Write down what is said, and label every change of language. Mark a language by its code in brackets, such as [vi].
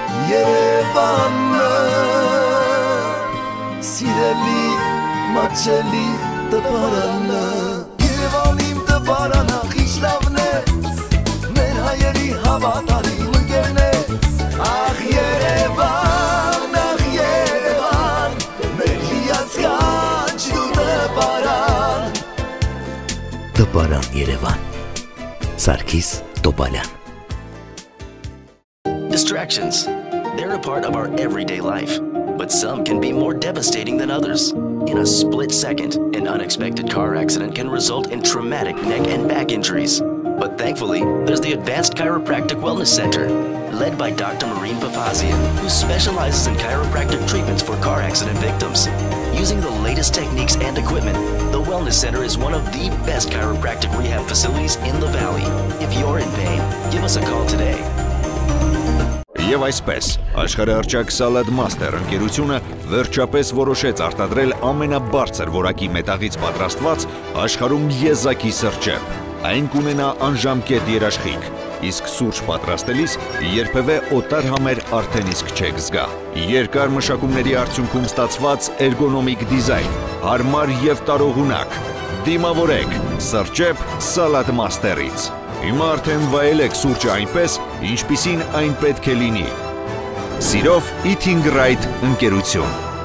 [hy] Երևանը, սիրելի մաչելի տպարանը, Երևան իմ տպարանը, խիչ լավն է, մեր հայերի հավատարի ընկերն է, ախ Երևան, Տպարան Երևան, Սարգիս Տոպալյան. [en] Distractions, they're a part of our everyday life, but some can be more devastating than others. In a split second, an unexpected car accident can result in traumatic neck and back injuries. But thankfully, there's the Advanced Chiropractic Wellness Center, led by Dr. Maureen Papazian, who specializes in chiropractic treatments for car accident victims. Using the latest techniques and equipment, the Wellness Center is one of the best chiropractic rehab facilities in the Valley. If you're in pain, give us a call today. [hy] Եվ այսպես, աշխարհի առաջ Salad Master ընկերությունը վերջապես որոշեց արտադրել ամենաբարձր որակի մետաղից պատրաստված աշխարհում եզակի սրճեփ. Այն կունենա անժամկետ երաշխիք, իսկ սուրճ պատրաստելիս երբևէ օտար համեր արդեն իսկ չեք զգա։ Երկար մշակումների արդյունքում ստացված էրգոնոմիկ դիզայն, հարմար և տարողունակ, դիմավորեք սրճեփ Salad Master-ից։ Հիմա արդեն վայելեք սուրճը այնպես, ինչպիսին այն պետք է լինի։ Սիրով Eating Right ընկերություն։